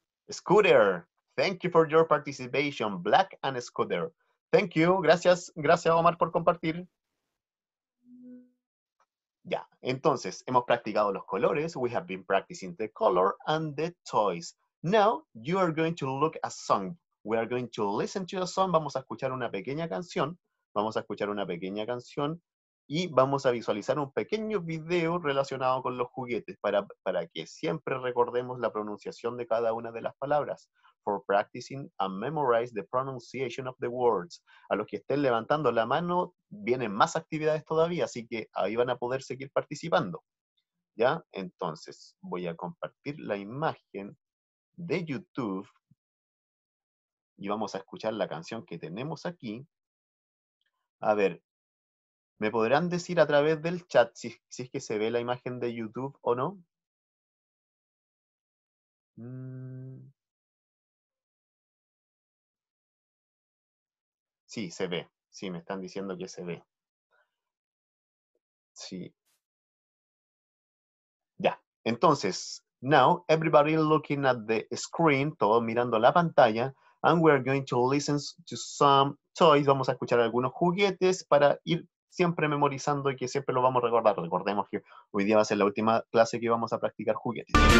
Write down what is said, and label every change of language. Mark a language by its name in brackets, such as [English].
[English] Scooter. Thank you for your participation. Black and scooter. Thank you. [Spanish] Gracias. Gracias, Omar, por compartir. Ya. Entonces, hemos practicado los colores. [English] We have been practicing the color and the toys. Now, you are going to look a song. We are going to listen to a song. [Spanish] Vamos a escuchar una pequeña canción. Vamos a escuchar una pequeña canción y vamos a visualizar un pequeño video relacionado con los juguetes para que siempre recordemos la pronunciación de cada una de las palabras. [English] For practicing and memorize the pronunciation of the words. [Spanish] A los que estén levantando la mano, vienen más actividades todavía, así que ahí van a poder seguir participando. ¿Ya? Entonces, voy a compartir la imagen de YouTube y vamos a escuchar la canción que tenemos aquí. A ver, ¿me podrán decir a través del chat si es que se ve la imagen de YouTube o no? Sí, se ve. Sí, me están diciendo que se ve. Sí. Ya, entonces, [English] now everybody looking at the screen, [Spanish] todos mirando la pantalla. [English] And we're going to listen to some toys. [Spanish] Vamos a escuchar algunos juguetes para ir siempre memorizando y que siempre lo vamos a recordar. Recordemos que hoy día va a ser la última clase que vamos a practicar juguetes.